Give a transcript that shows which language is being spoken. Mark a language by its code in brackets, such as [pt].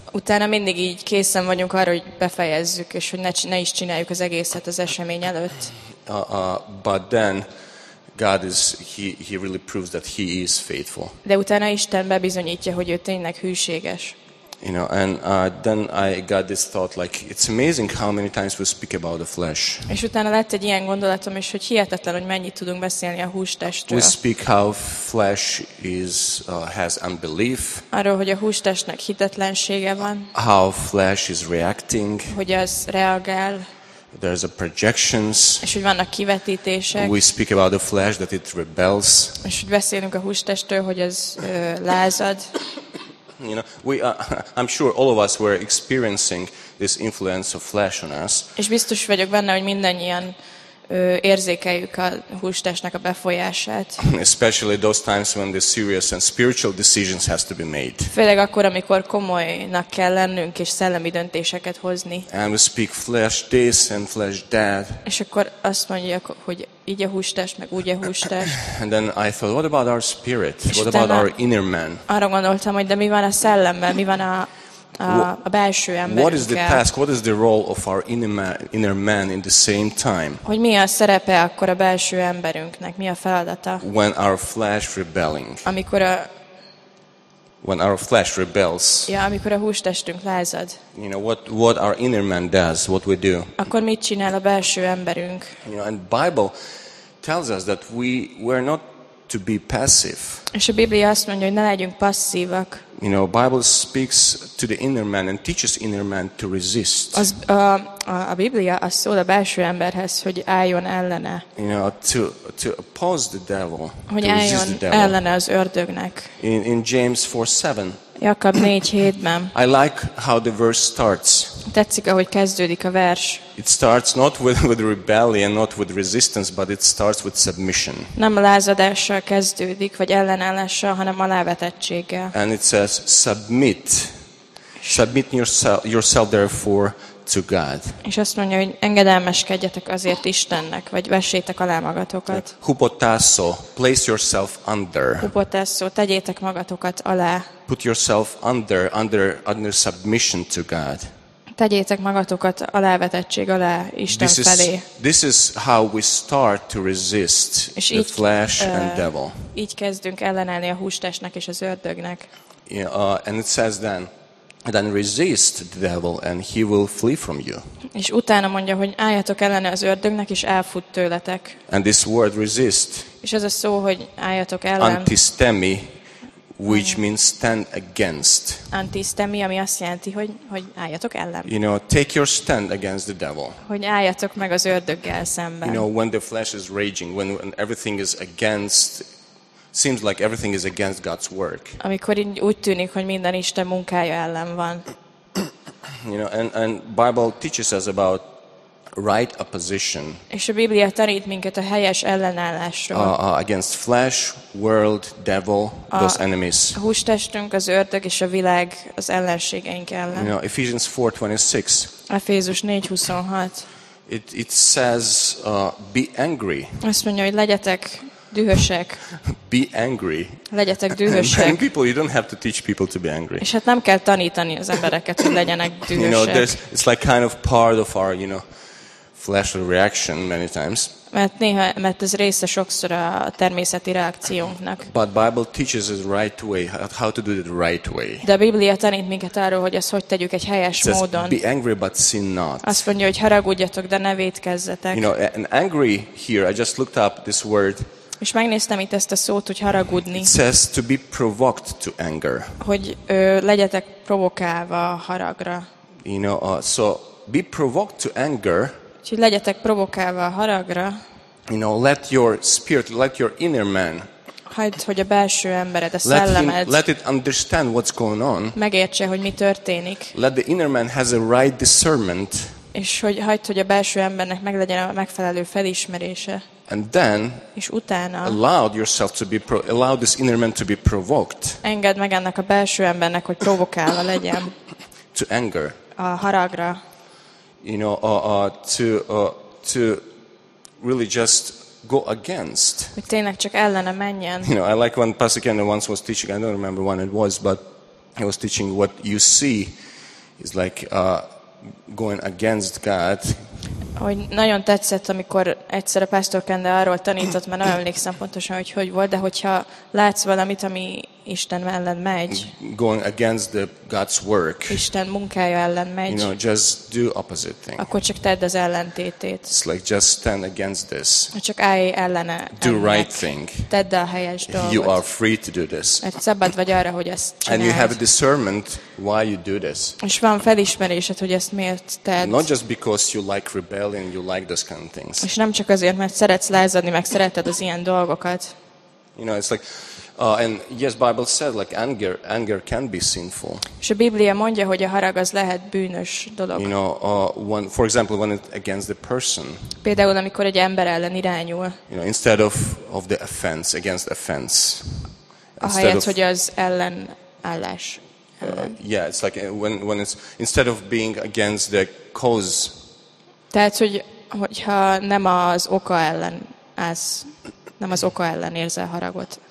[hu] Utána mindig így készen vagyunk arra, hogy befejezzük és hogy ne is csináljuk az egészet az esemény előtt. [en] But then God is he really proves that he is faithful. [hu] De utána Isten bebizonyítja, hogy ő tényleg hűséges. [en] You know, and then I got this thought, like, it's amazing how many times we speak about the flesh. [hu] És utána lett egy ilyen gondolatom, és hogy hihetetlen, hogy mennyit tudunk beszélni a hústestről. [en] We speak how flesh is has unbelief. [hu] Arról, hogy a hústestnek hitetlensége van. [en] How flesh is reacting. [hu] Hogy az reagál. [en] There's a projections. [hu] És hogy vannak kivetítések. [en] We speak about the flesh that it rebels. [hu] És hogy beszélünk a hústestről, hogy ez lázad. [en] You know, I'm sure all of us were experiencing this influence of flesh on us. [hu] És biztos vagyok benne, hogy mindannyian érzékeljük a hústestnek a befolyását. [en] Especially those times when the serious and spiritual decisions has to be made. [hu] Főleg akkor, amikor komolynak kell lennünk és szellemi döntéseket hozni. [en] And we speak flesh this and flesh that. [hu] És akkor azt mondjuk, hogy így a hústest, meg úgy a hústest. [en] And then I thought, what about our spirit? What about our inner man? [hu] Arra gondoltam, hogy de mi van a szellemmel, mi van a belső emberünkkel. [en] What is the task? What is the role of our inner man in the same time? [hu] Hogy mi a szerepe akkor a belső emberünknek? Mi a feladata? [en] When our flesh rebelling. [hu] Amikor a [en] when our flesh rebels. [hu] Ja, amikor a hústestünk lázad. [en] You know what our inner man does, what we do. [hu] Akkor mit csinál a belső emberünk? [en] You know, and Bible tells us that we're not to be passive. [hu] És a Biblia azt mondja, hogy ne legyünk passzívak. [en] You know, Bible speaks to the inner man and teaches inner man to resist. [hu] A Biblia azt szól a belső emberhez, hogy álljon ellene. [en] You know, to oppose the devil. [hu] Hogy álljon ellene az ördögnek. [en] In James 4:7. [hu] Jakab 4:7-ben. [en] I like how the verse starts. [hu] Tetszik, ahogy kezdődik a vers. [en] It starts not with rebellion, not with resistance, but it starts with submission. [hu] Nem lázadással kezdődik, vagy ellenállással, hanem alávetettséggel. [en] And it says submit. Submit yourself therefore to God. [hu] És azt mondja, hogy engedelmeskedjetek azért Istennek, vagy vessétek alá magatokat. [en] Hupotasso, place yourself under. [hu] Hupotasso, tegyétek magatokat alá. [en] Put yourself under submission to God. [hu] Tegyétek magatokat alávetettség alá Isten felé. [en] This is how we start to resist the flesh and devil. [hu] Így kezdünk ellenállni a hústestnek és az ördögnek. [en] Yeah, and it says then resist the devil and he will flee from you. [hu] És utána mondja, hogy álljatok ellene az ördögnek és elfut tőletek. [en] And this word resist. [hu] És ez a szó, hogy álljatok ellen. [en] Antistemi, which means stand against. [hu] Antistemi, ami azt jelenti, hogy álljatok ellen. [en] You know, take your stand against the devil. [hu] Hogy álljatok meg az ördöggel szemben. [en] You know, when the flesh is raging, when everything is against, seems like everything is against God's work. [hu] Amikor úgy tűnik, hogy minden Isten munkája ellen van. [en] You know, and Bible teaches us about right opposition. [hu] És a Biblia tanít minket a helyes ellenállásról. [en] Against flesh, world, devil, those enemies. [hu] A hústestünk, az ördög és a világ az ellenségeink ellen. [en] You know, Ephesians 4:26. [hu] Efézus 4:26. [en] It says be angry. [hu] Azt mondja, hogy legyetek dühösek. [en] Be angry. [hu] Legyetek dühösek. [en] And people, you don't have to teach people to be angry. [hu] És hát nem kell tanítani az embereket, hogy legyenek dühösek. [en] You know, it's like kind of part of our, you know, flesh reaction many times. [hu] Mert néha, mert ez része sokszor a természeti reakciónknak. [en] But Bible teaches us right way, how to do it right way. [hu] De a Biblia tanít minket arról, hogy ezt hogy tegyük egy helyes módon. [en] Be angry but sin not. [hu] Azt mondja, hogy haragudjatok, de ne vétkezzetek. [en] You know, an angry here, I just looked up this word. [hu] És megnéztem itt ezt a szót, hogy haragudni. [en] It says to be provoked to anger. [hu] Hogy legyetek provokálva a haragra. [en] You know, so be provoked to anger. [hu] Hogy legyetek provokálva a haragra. [en] You know, let your spirit, let your inner man. [hu] Hagyd, hogy a belső embered, a szellemed. [en] Let it understand what's going on. [hu] Megértse, hogy mi történik. [en] Let the inner man has a right discernment. [hu] És hogy hagyd, hogy a belső embernek meglegyen a megfelelő felismerése. [en] And then, [hu] és utána, [en] allow yourself to be allow this inner man to be provoked. [hu] Engedd meg ennek a belső embernek, hogy provokálva legyen. [en] To anger. [hu] A haragra. [en] You know, to really just go against. [hu] Hogy tényleg csak ellene menjen. [en] You know, I like when Pastor Kenner once was teaching. I don't remember when it was, but he was teaching what you see is like going against God. [hu] Hogy nagyon tetszett, amikor egyszer a Pastor Kenner arról tanított, mert nem emlékszem pontosan, hogy hogy volt, de hogyha látsz valamit, ami Isten ellen megy. [en] Going against the God's work. [hu] Isten munkája ellen megy. [en] You know, just do opposite thing. [hu] Akkor csak tedd az ellentétét. [en] It's like just stand against this. [hu] Csak állj ellene. [en] Do right thing. [hu] Tedd a helyes dolgot. [en] You are free to do this. [hu] Mert szabad vagy arra, hogy ezt csináld. [en] And you have a discernment why you do this. [hu] És van felismerésed, hogy ezt miért tedd. [en] Not just because you like rebelling, you like those kind of things. [hu] És nem csak azért, mert szeretsz lázadni, meg szereted az ilyen dolgokat. [en] You know, it's like and yes, Bible said like anger can be sinful. [hu] És a Biblia mondja, hogy a harag az lehet bűnös dolog. [en] You know, for example, when it against the person. [hu] Például amikor egy ember ellen irányul. [en] You know, instead of the offense, against offense. [hu] Ahelyett, hogy az ellenállás. [en] Yeah, it's like when it's instead of being against the cause. [hu] Tehát hogyha nem az oka ellen állsz, nem az oka ellen érzel haragot.